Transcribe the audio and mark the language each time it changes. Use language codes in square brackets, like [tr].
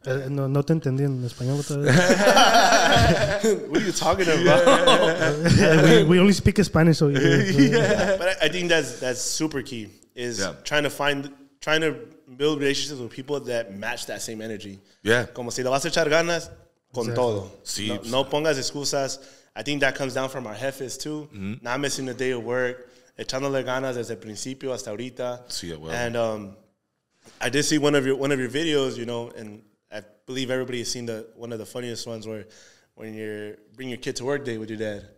[es] No te entendí en español otra vez. [en] What are you talking about? Yeah. We only speak Spanish, so... Yeah. But I think that's super key, is trying to build relationships with people that match that same energy. Yeah. [es] Como si le vas a echar ganas, con todo. Sí. No pongas excusas. [en] I think that comes down from our jefes, too. Mm-hmm. Not missing a day of work. [es] Echándole ganas desde el principio hasta ahorita. [en] Sí, it will. And I did see one of your videos, you know, and I believe everybody has seen one of the funniest ones where when you bring your kid to work day with your dad.